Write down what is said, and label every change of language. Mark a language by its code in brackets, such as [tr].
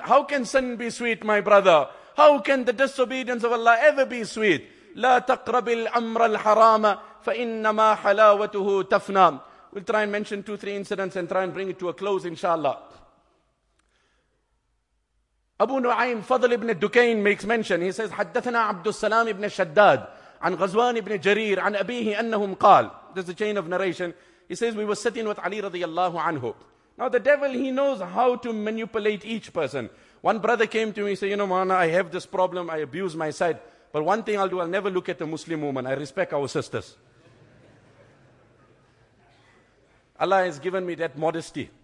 [en] How can sin be sweet, my brother? How can the disobedience of Allah ever be sweet? [ar] لَا تَقْرَبِ الْأَمْرَ الْحَرَامَ فَإِنَّمَا حَلَاوَتُهُ تَفْنَى. [en] We'll try and mention 2-3 incidents and try and bring it to a close, inshallah. Abu Nu'aym Fadl ibn Dukayn makes mention. He says, [ar] حَدَّثَنَا عَبْدُ السَّلَامِ ibn Shaddad عَنْ غَزْوَانِ ibn Jarir عَنْ أَبِيهِ أَنَّهُمْ قَالْ. [en] There's a chain of narration. He says, we were sitting with Ali radiallahu anhu. Now the devil, he knows how to manipulate each person. One brother came to me and said, you know, Mana, I have this problem. I abuse my side. But one thing I'll do, I'll never look at a Muslim woman. I respect our sisters. Allah has given me that modesty.